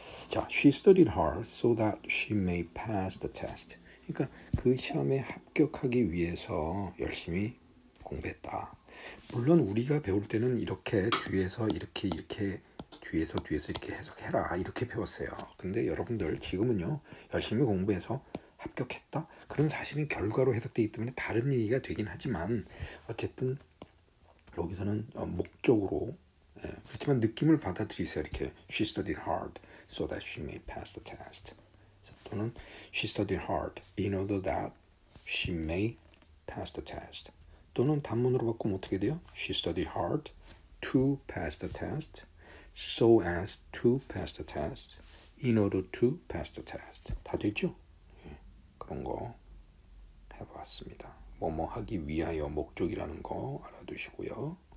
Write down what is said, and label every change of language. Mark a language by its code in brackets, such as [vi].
[en] 자, she studied hard so that she may pass the test. [ko] 그러니까 그 시험에 합격하기 위해서 열심히 공부했다. 물론 우리가 배울 때는 이렇게 뒤에서 이렇게 이렇게 뒤에서 이렇게 해석해라 이렇게 배웠어요. 근데 여러분들 지금은요 열심히 공부해서 합격했다 그런 사실은 결과로 해석되기 때문에 다른 얘기가 되긴 하지만 어쨌든 여기서는 목적으로. 예, 그렇지만 느낌을 받아들이세요. 이렇게 [en] she studied hard so that she may pass the test, [ko] 또는 [en] she studied hard in order that she may pass the test, [ko] 또는 단문으로 바꾸면 어떻게 돼요? [en] She studied hard to pass the test, so as to pass the test, in order to pass the test. [ko] 다 되죠? 예, 그런 거 해봤습니다. 뭐뭐 하기 위하여 목적이라는 거 알아두시고요.